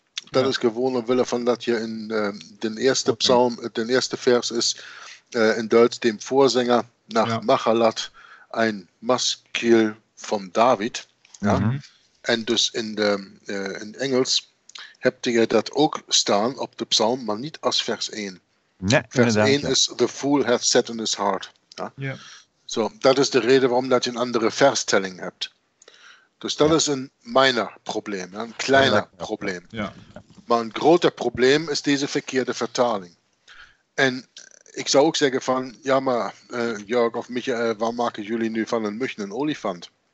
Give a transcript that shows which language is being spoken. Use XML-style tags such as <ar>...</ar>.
<nl>Dat is gewoon omwille van dat je in den eerste psalm, den eerste vers is, in Duits</nl> <de>dem Vorsänger nach Machalat, ein Maskil von David.</de> <nl>Ja? Mhm. En dus in Engels heb je dat ook staan op de psalm, maar niet als vers 1. Nee, vers 1 is</nl> <en>the fool hath set in his heart.</en> <nl>Ja? Ja. So, dat is de reden waarom dat je een andere verstelling hebt. Dus dat is een minor probleem, een kleiner probleem. Ja. Maar een groter probleem is deze verkeerde vertaling. En ik zou ook zeggen van, ja maar Jörg of Michael, waar maken jullie nu van een muchen en olifant?</nl>